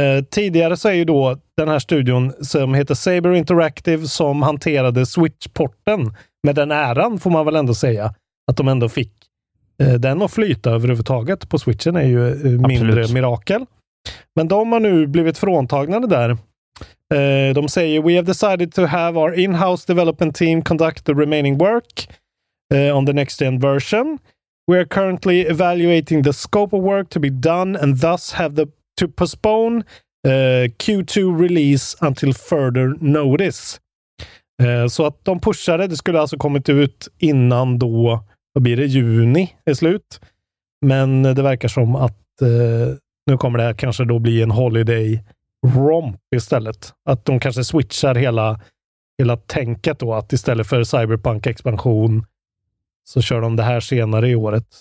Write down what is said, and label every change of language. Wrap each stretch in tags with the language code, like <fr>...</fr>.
<sv>Tidigare så är ju då den här studion som heter Saber Interactive som hanterade Switch-porten. Med den äran får man väl ändå säga att de ändå fick den att flyta överhuvudtaget på Switchen är ju mindre Absolut. Mirakel. Men de har nu blivit fråntagna där. De säger:</sv> <en>"We have decided to have our in-house development team conduct the remaining work on the next-gen version. We are currently evaluating the scope of work to be done and thus have to postpone Q2 release until further notice."</en> <sv>Så att de pushade, det skulle alltså kommit ut innan då, vad blir det, juni är slut. Men det verkar som att nu kommer det här kanske då bli en holiday romp istället. Att de kanske switchar hela tänket då, att istället för Cyberpunk-expansion så kör de det här senare i året.</sv>